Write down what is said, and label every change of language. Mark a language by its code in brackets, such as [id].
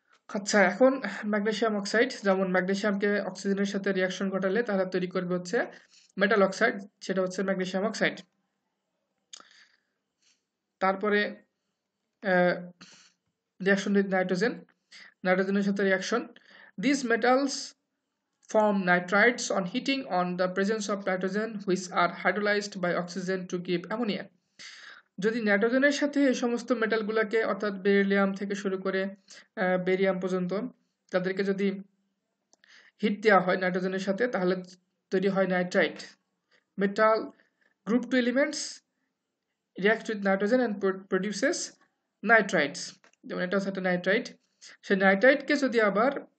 [bn] আচ্ছা, এখন magnesium oxide, যেমন ম্যাগনেশিয়ামকে অক্সিজেনের সাথে রিয়াকশন ঘটালে তারা তৈরি করবে হচ্ছে মেটাল অক্সাইড, সেটা হচ্ছে ম্যাগনেশিয়াম অক্সাইড। তারপরে [en] reaction with nitrogen, [bn] নাইট্রোজেনের সাথে reaction, [en] These metals form nitrides on heating on the presence of nitrogen, which are hydrolyzed by oxygen to give ammonia. [bn] যদি নাইট্রোজেনের সাথে এই সমস্ত মেটালগুলোকে অর্থাৎ বেরিলিয়াম থেকে শুরু করে বেরিয়াম পর্যন্ত তাদেরকে যদি হিট দেওয়া হয় নাইট্রোজেনের সাথে তাহলে তৈরি হয় nitrite metal [en] group two elements react with nitrogen and produces nitrites [bn] যেমন এটা হচ্ছে নাইট্রাইট সেই নাইট্রাইটকে যদি আবার